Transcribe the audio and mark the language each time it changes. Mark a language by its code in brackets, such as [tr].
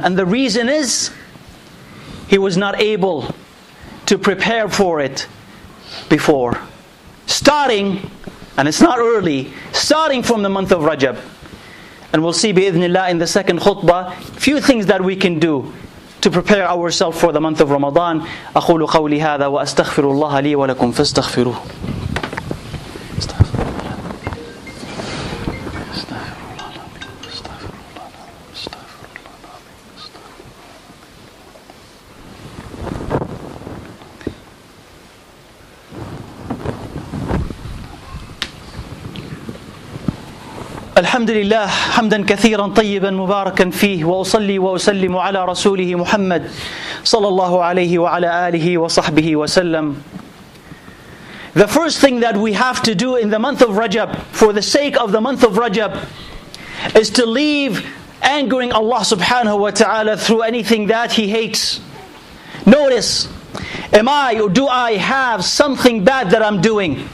[en] And the reason is, he was not able to prepare for it before. Starting, and it's not early, starting from the month of Rajab. And we'll see bi-idhnillah in the second khutbah, few things that we can do to prepare ourselves for the month of Ramadan. [ar] أقول قولي هذا وأستغفر الله لي ولكم فاستغفروه. الحمد لله حمدا كثيرا طيبا مباركا فيه وأصلي وأسلم على رسوله محمد صلى الله عليه وعلى آله وصحبه وسلم. [en] The first thing that we have to do in the month of Rajab, for the sake of the month of Rajab, is to leave angering Allah subhanahu wa ta'ala through anything that He hates. Notice, am I or do I have something bad that I'm doing?